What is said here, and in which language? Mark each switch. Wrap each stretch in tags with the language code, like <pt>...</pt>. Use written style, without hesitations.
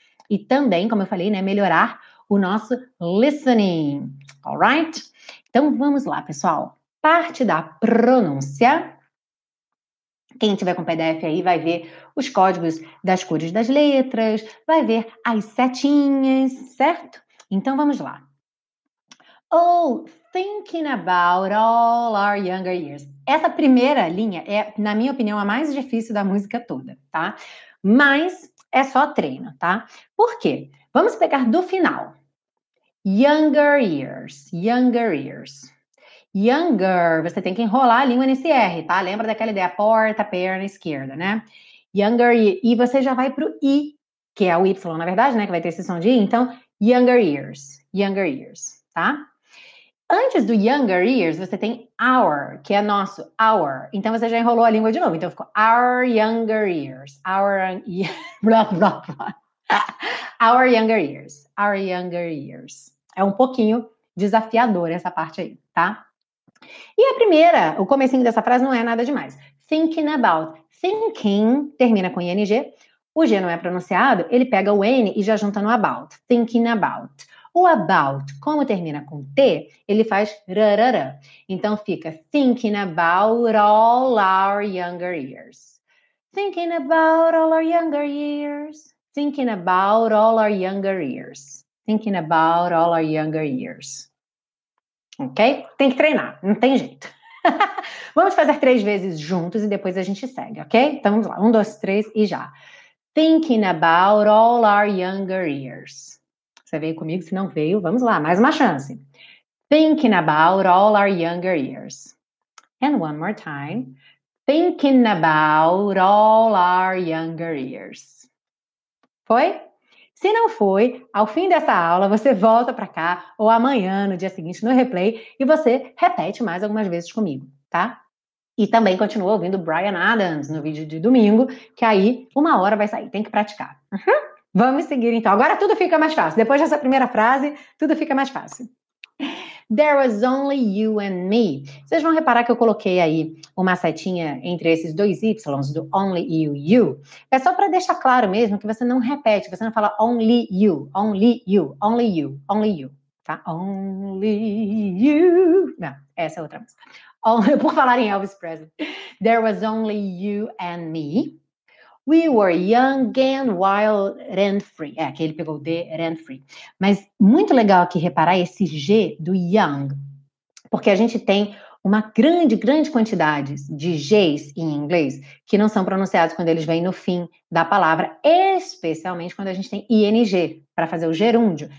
<pt>E também, como eu falei, né, melhorar o nosso listening, alright? Então vamos lá, pessoal. Parte da pronúncia. Quem tiver com PDF aí vai ver os códigos das cores das letras, vai ver as setinhas, certo? Então, vamos lá.</pt> <en>Oh, thinking about all our younger years.</en> <pt>Essa primeira linha é, na minha opinião, a mais difícil da música toda, tá? Mas é só treino, tá? Por quê? Vamos pegar do final.</pt> <en>Younger years, younger years.</en> <pt>Younger, você tem que enrolar a língua nesse R, tá? Lembra daquela ideia, porta, perna esquerda, né? Younger, e você já vai pro I, que é o Y, na verdade, né? Que vai ter esse som de I. Então, younger years, tá? Antes do younger years, você tem our, que é nosso, our. Então, você já enrolou a língua de novo. Então, ficou our younger years.</pt> <en>Our, blah, blah, blah. Our younger years. Our younger years.</en> <pt>É um pouquinho desafiador essa parte aí, tá? E a primeira, o comecinho dessa frase não é nada demais.</pt> <en>Thinking about.</en> <pt>Thinking termina com ing. O g não é pronunciado, ele pega o n e já junta no about.</pt> <en>Thinking about.</en> <pt>O about, como termina com T, ele faz rarara. Então fica</pt> <en>thinking about all our younger years. Thinking about all our younger years. Thinking about all our younger years. Thinking about all our younger years. Ok?</en> <pt>Tem que treinar, não tem jeito. Vamos fazer três vezes juntos e depois a gente segue, ok? Então vamos lá, um, dois, três e já.</pt> <en>Thinking about all our younger years.</en> <pt>Você veio comigo, se não veio, vamos lá, mais uma chance.</pt> <en>Thinking about all our younger years. And one more time. Thinking about all our younger years.</en> <pt>Foi? Se não foi, ao fim dessa aula, você volta para cá ou amanhã, no dia seguinte, no replay, e você repete mais algumas vezes comigo, tá? E também continua ouvindo Bryan Adams no vídeo de domingo, que aí uma hora vai sair, tem que praticar. Vamos seguir, então. Agora tudo fica mais fácil. Depois dessa primeira frase, tudo fica mais fácil.</pt> <en>There was only you and me.</en> <pt>Vocês vão reparar que eu coloquei aí uma setinha entre esses dois Ys, do only you, you. É só para deixar claro mesmo que você não repete, você não fala</pt> <en>only you, only you, only you,</en> <pt>only you. Tá?</pt> <en>Only you.</en> <pt>Não, essa é outra música. Por falar em Elvis Presley.</pt> <en>There was only you and me. We were young and wild, rent free.</en> <pt>É, aqui ele pegou de rent free. Mas muito legal aqui reparar esse G do young. Porque a gente tem uma grande, grande quantidade de Gs em inglês que não são pronunciados quando eles vêm no fim da palavra, especialmente quando a gente tem ing para fazer o gerúndio.</pt>